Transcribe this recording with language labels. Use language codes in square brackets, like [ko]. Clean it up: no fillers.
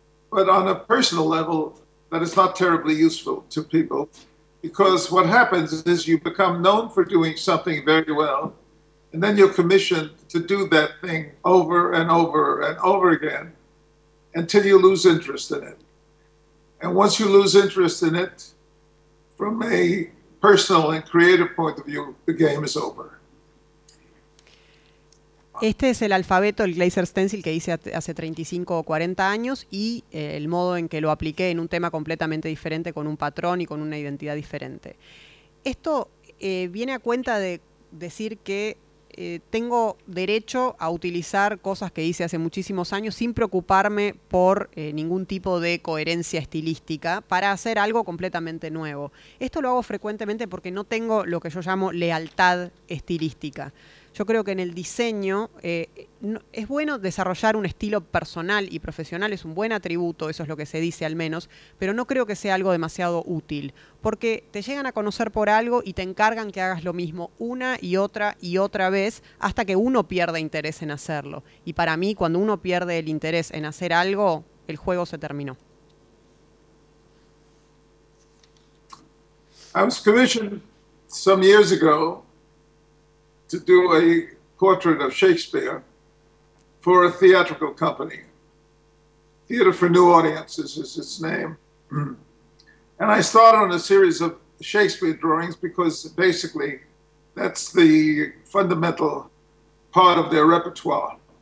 [en] But on a personal level, that is not terribly useful to people, because what happens is you become known for doing something very well, and then you're commissioned to do that thing over and over and over again until you lose interest in it. And once you lose interest in it, from a personal and creative point of view, the game is over. [es] Este es el alfabeto, el Glaser Stencil, que hice hace 35 o 40 años y el modo en que lo apliqué en un tema completamente diferente, con un patrón y con una identidad diferente. Esto viene a cuenta de decir que tengo derecho a utilizar cosas que hice hace muchísimos años sin preocuparme por ningún tipo de coherencia estilística para hacer algo completamente nuevo. Esto lo hago frecuentemente porque no tengo lo que yo llamo lealtad estilística. Yo creo que en el diseño es bueno desarrollar un estilo personal y profesional, es un buen atributo, eso es lo que se dice al menos, pero no creo que sea algo demasiado útil, porque te llegan a conocer por algo y te encargan que hagas lo mismo una y otra vez hasta que uno pierde interés en hacerlo. Y para mí, cuando uno pierde el interés en hacer algo, el juego se terminó. [en] I was commissioned some years ago to do a portrait of Shakespeare for a theatrical company. Theater for New Audiences is its name. And I started on a series of Shakespeare drawings because basically that's the fundamental part of their repertoire.